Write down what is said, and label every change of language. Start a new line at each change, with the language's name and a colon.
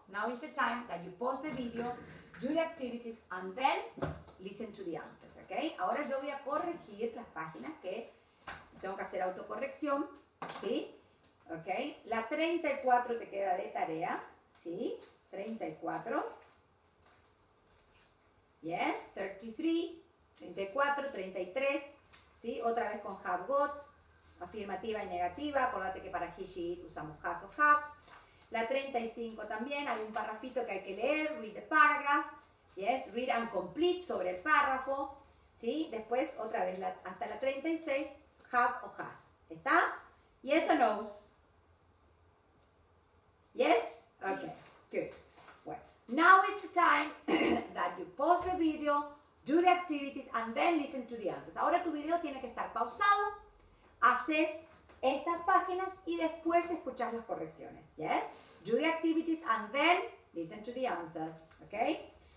English: Now is the time that you pause the video, do the activities, and then listen to the answers. Okay?
Spanish: Ahora yo voy a corregir las páginas que tengo que hacer autocorrección. ¿Sí? Okay. La 34 te queda de tarea. ¿Sí? 34. Yes, 33, 34, 33, ¿sí? Otra vez con have got, afirmativa y negativa, acordate que para he, she, it usamos has o have. La 35 también, hay un parrafito que hay que leer,
English: read the paragraph, yes, read and complete
Spanish: sobre el párrafo, ¿sí? Después, otra vez, hasta la 36, have o has, ¿está?
English: Yes or no? Yes? Okay, yes. Good. Now it's time that you pause the video, do the activities, and then listen to the answers.
Spanish: Ahora tu video tiene que estar pausado, haces estas páginas y después escuchas las correcciones, yes?
English: Do the activities and then listen to the answers, okay?